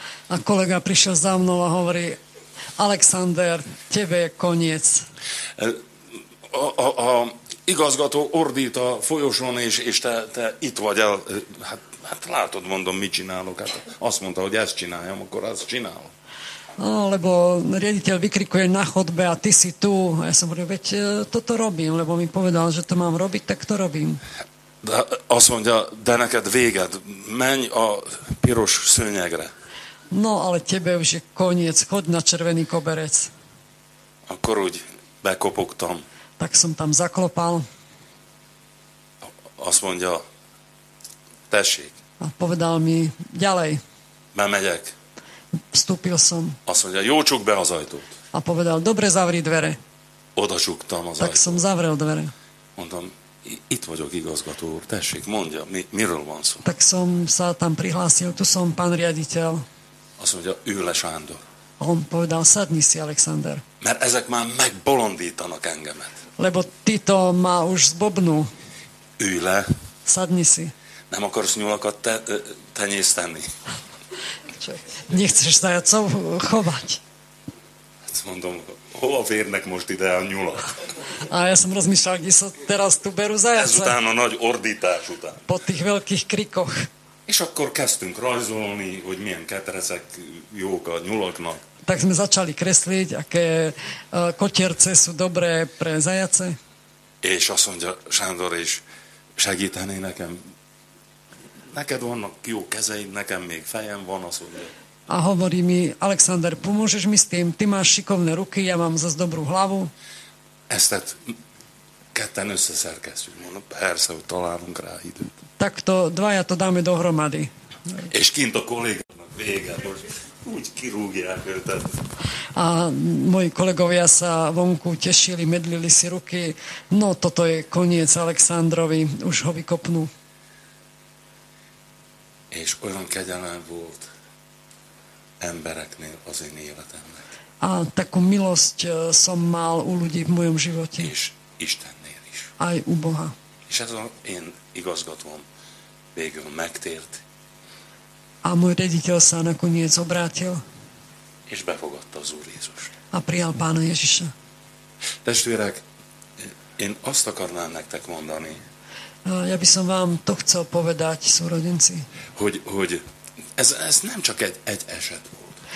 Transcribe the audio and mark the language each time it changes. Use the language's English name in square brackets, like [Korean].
[Slovak] A kolega prišiel za mnou a hovorí, Alexander, tebe je koniec. [Hungarian] A igazgató ordít a folyosón, és te itt vagy el. Hát látod, mondom, mit csinálok. Hát azt mondta, hogy ezt csináljam, akkor azt csinálom. [Slovak] No, lebo riaditeľ vykrikuje na chodbe a ty si tu. A ja som hovoril, veď toto robím, lebo mi povedal, že to mám robiť, tak to robím. [Hungarian] De, azt mondja, de neked véged, menj a piros szőnyegre. [Slovak] No, ale tebe už je koniec, chod na červený koberec. [Hungarian] Akkor úgy bekopogtam. [Slovak] Tak som tam zaklopal. [Hungarian] Azt mondja, tessék. [Slovak] A povedal mi, ďalej. [Hungarian] Bemegyek. [Slovak] Vstúpil som. [Hungarian] Azt mondja, jó, csuk be az ajtót. [Slovak] A povedal, dobre, zavri dvere. [Hungarian] Oda csuktam az [Slovak] tak [Hungarian] ajtót. [Slovak] Tak som zavrel dvere. [Hungarian] Mondtam, itt vagyok, igazgató úr, tessék, mondja, miről van szó. [Slovak] Tak som sa tam prihlásil, tu som pán riaditeľ. [Hungarian] Azt mondja, ül le, Sándor. [Slovak] On povedal, sadni si, Alexander. [Hungarian] Mert ezek már megbolondítanak engemet. [Slovak] Lebo tyto má už zbobnú. [Hungarian] Ülj le. [Slovak] Sadni si. [Hungarian] Nem akarsz nyúlakat tenyészteni. [Slovak] Nechceš zajacov chovať. [Hungarian] Hát mondom, hova férnek most ide a nyulak? [Slovak] A ja som rozmýšľal, kde sa teraz tu berú zajace. [Hungarian] Ezután a nagy ordítás után. [Slovak] Po tých veľkých krikoch. [Hungarian] És akkor kezdtünk rajzolni, hogy milyen ketrecek jók a nyulaknak. [Slovak] Tak sme začali kresliť, aké kotierce sú dobré pre zajace. [Hungarian] És azt mondja, Sándor, és segítené nekem. Neked vannak jó kezeid, nekem még fejem van, az ugye. [Slovak] A hovorí mi, Alexander, pomôžeš mi s tým? Ty máš šikovné ruky, ja mám zase dobrú hlavu. [Hungarian] Ezt ketten összeszerkeztük, mondom, persze, hogy találunk rá időt. [Slovak] Tak to dvaja to dáme dohromady. [Hungarian] És kint a kollégának vége, most úgy kirúgják őt. [Slovak] A moji kolegovia sa vonku tešili, medlili si ruky. No, toto je koniec Alexandrovi, už ho vykopnú. [Hungarian] És olyan kegyelem volt embereknél az én életemnek. [Slovak] A takú milosť som mal u ľudí v mojom živote. [Hungarian] És Istennél is. [Slovak] Aj u Boha. [Hungarian] És ez az én igazgatom végül megtért. [Slovak] A môj rediteľ sa nakoniec obrátil. [Hungarian] És befogadta az Úr Jézust. [Slovak] A prijal Pána Ježiša. [Hungarian] Testvérek, én azt akarnám nektek mondani. [Slovak] Ja by som vám to chcel povedať, súrodenci. [Hungarian] Hogy ez nem csak egy eset volt.